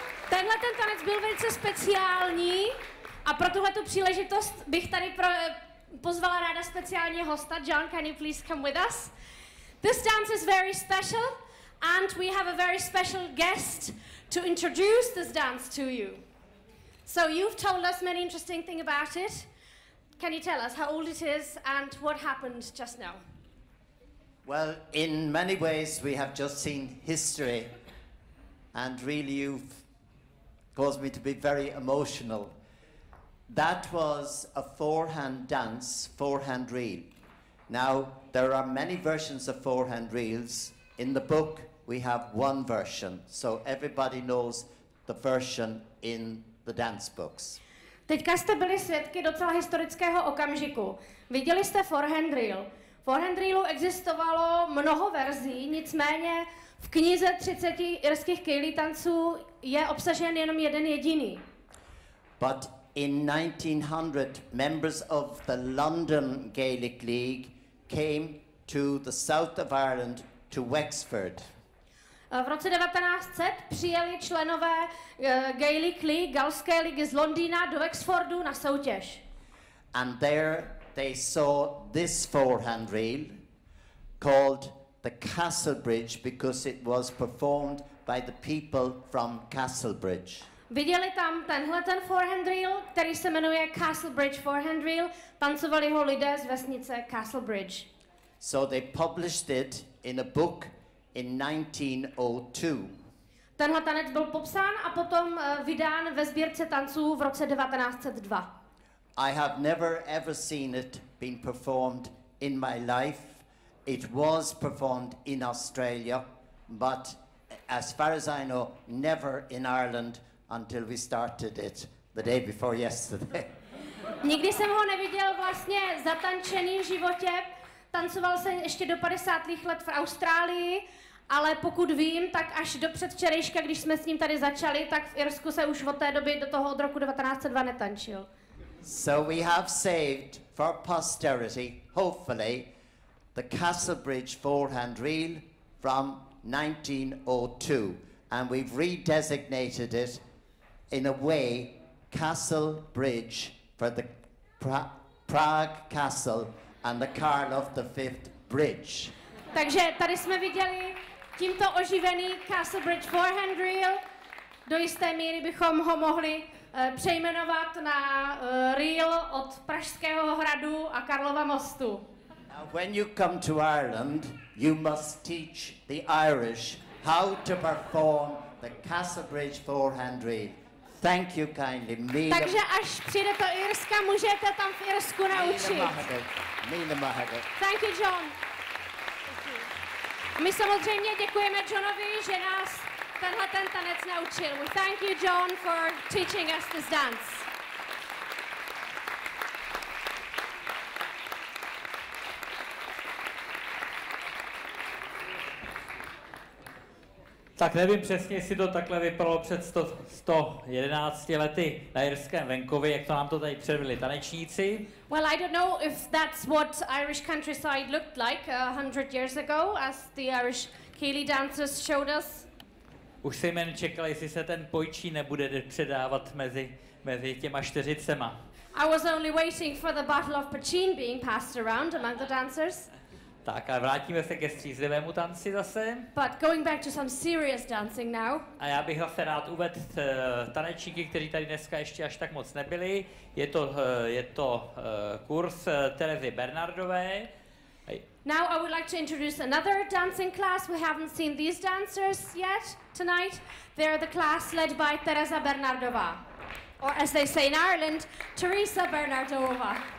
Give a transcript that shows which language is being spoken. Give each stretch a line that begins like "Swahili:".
Czech: tenhle ten tanec byl velice speciální a pro tuhle tu příležitost bych tady pozvala ráda speciálně hosta.
English: John, can you please come with us? This dance is very special and we have a very special guest to introduce this dance to you. So you've told us many interesting things about it. Can you tell us how old it is and what happened just now? Well, in many ways, we have just seen history, and really you've caused me to be very emotional. That was a forehand dance, forehand reel. Now, there are many versions of forehand reels. In the book, we have one version, so everybody knows the version in the dance books.
Czech: Teďka jste byli svědky docela historického okamžiku. Viděli jste forehand reel. Forehand reelu existovalo mnoho verzí, nicméně v knize 30 irských ceilí tanců je obsažen jenom jeden jediný.
English: But in 1900, members of the London Gaelic League came to the south of Ireland to Wexford.
Czech: V roce 1900 přijeli členové Gaelic League, Galské ligy z Londýna do Wexfordu na soutěž.
English: And there they saw this forehand reel called the Castlebridge because it was performed by the people from Castlebridge.
Czech: Viděli tam tenhle ten forehand reel, který se jmenuje Castlebridge forehand reel, tancovali ho lidé z vesnice Castlebridge.
English: So they published it in a book in 1902.
Czech: Tenhle tanec byl popsán a potom vydán ve sbírce tanců v roce 1902.
English: I have never ever seen it been performed in my life. It was performed in Australia, but as far as I know, never in Ireland until we started it the day before yesterday.
Czech: Nikdy jsem ho neviděl vlastně zatančený v životě. Tancoval jsem ještě do 50. let v Austrálii, ale pokud vím, tak až do předvčerejška, když jsme s ním tady začali, tak v Irsku se už od té doby do toho od roku 1902 netančil.
English: So we have saved for posterity, hopefully, the Castlebridge forehand reel from 1902. And we've redesignated it in a way, Castle Bridge for the Prague Castle and the Karl of the Fifth Bridge.
Czech: Takže tady jsme viděli tímto oživený Castlebridge forehand reel. Do jisté míry bychom ho mohli přejmenovat na reel od Pražského hradu a Karlova mostu.
English: Now when you come to Ireland, you must teach the Irish how to perform the Castlebridge forehand reel. Thank you kindly.
Czech: Takže až přijde to Irska, můžete tam v Irsku naučit.
Irish: Míle mahadu.
English: Thank you, John.
Czech: My samozřejmě děkujeme Johnovi, že nás tenhle ten tanec naučil.
English: We thank you, John, for teaching us this dance.
Czech: Tak nevím přesně, jestli to takhle vypadalo před 111 lety na irském venkově, jak to nám to tady předvili tanečníci.
English: Well, I don't know if that's what Irish countryside looked like 100 years ago, as the Irish ceilí dancers showed us.
Czech: Už jsem jen čekal, jestli se ten pojčí nebude předávat mezi těma čtyřicema.
English: I was only waiting for the bottle of pachín being passed around among the dancers.
Czech: Tak a vrátíme se ke střízlivému tanci zase.
English: But going back to some serious dancing now.
Czech: A já bych zase rád uvedl tanečníky, kteří tady dneska ještě až tak moc nebyli. Je to kurz Terezy Bernardové.
English: Now I would like to introduce another dancing class. We haven't seen these dancers yet tonight. They are the class led by Tereza Bernardová. Or as they say in Ireland, Therísa Bernardóva.